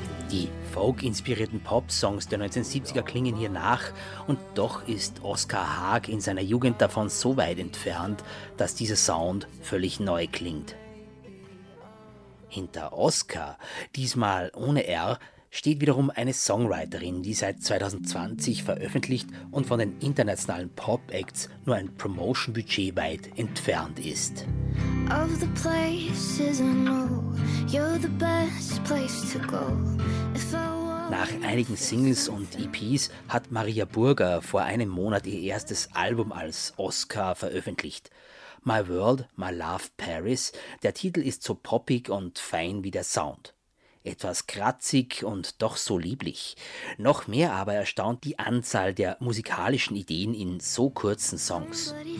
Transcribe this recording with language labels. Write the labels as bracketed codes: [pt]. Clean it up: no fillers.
[de] Die folk-inspirierten Pop-Songs der 1970er klingen hier nach, und doch ist Oskar Haag in seiner Jugend davon so weit entfernt, dass dieser Sound völlig neu klingt. Hinter Oskar, diesmal ohne R, steht wiederum eine Songwriterin, die seit 2020 veröffentlicht und von den internationalen Pop-Acts nur ein Promotion-Budget weit entfernt ist. [en] Of the places I know, you're the best place to go. [de] Nach einigen Singles und EPs hat Maria Burger vor einem Monat ihr erstes Album als Oskar veröffentlicht. My World, My Love, Paris. Der Titel ist so poppig und fein wie der Sound. Etwas kratzig und doch so lieblich. Noch mehr aber erstaunt die Anzahl der musikalischen Ideen in so kurzen Songs.